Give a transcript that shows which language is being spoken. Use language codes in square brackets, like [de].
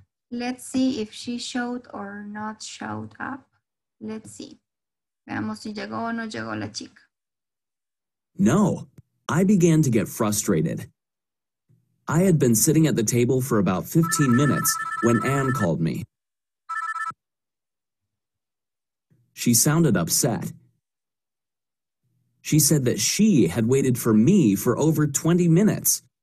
[en] Let's see if she showed or not showed up. Let's see. [es] Veamos si llegó o no llegó la chica. [en] No, I began to get frustrated. I had been sitting at the table for about 15 minutes when Anne called me. She sounded upset. She said that she had waited for me for over 20 minutes.